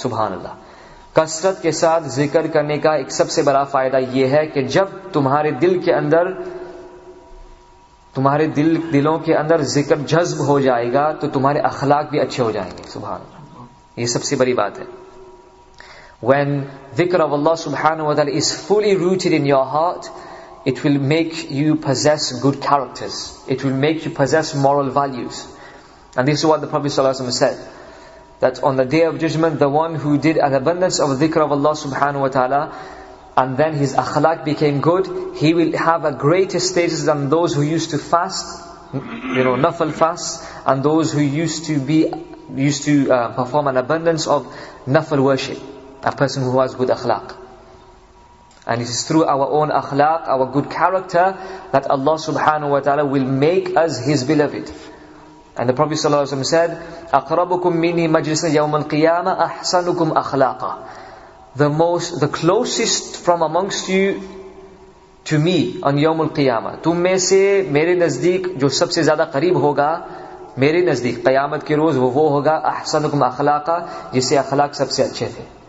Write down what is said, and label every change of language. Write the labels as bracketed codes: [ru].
[ur] سبحان اللہ, کثرت کے ساتھ ذکر کرنے کا ایک سب سے بڑا فائدہ یہ ہے کہ جب تمہارے دل کے اندر تمہارے دلوں کے اندر ذکر جذب ہو جائے گا تو تمہارے اخلاق بھی اچھے ہو جائیں گے. سبحان اللہ, یہ سب سے بڑی بات ہے. [en] When dhikr of Allah subhanahu wa ta'ala is fully rooted in your heart, it will make you possess good characters. It will make you possess moral values. And this is what the Prophet sallallahu alaihi wasallam said, that on the day of judgment, the one who did an abundance of dhikr of Allah subhanahu wa ta'ala, and then his akhlaq became good, he will have a greater status than those who used to fast, you know, nafal fast, and those who used to perform an abundance of nafal worship, a person who has good akhlaq. And it is through our own akhlaq, our good character, that Allah subhanahu wa ta'ala will make us his beloved. And the Prophet sallallahu alaihi wasallam said, [ar] أَقْرَبُكُمْ مِنِّي مَجْلِسًا يَوْمَ الْقِيَامَةِ أَحْسَنُكُمْ أَخْلَاقًا. [en] The closest from amongst you to me on [ur] يوم القيامة, تم میں سے میرے نزدیک جو سب سے زیادہ قریب ہوگا میرے نزدیک قیامت کے روز, وہ ہوگا [ar] أحسنكم أخلاقا, [ur] جسے اخلاق سب سے اچھے تھے.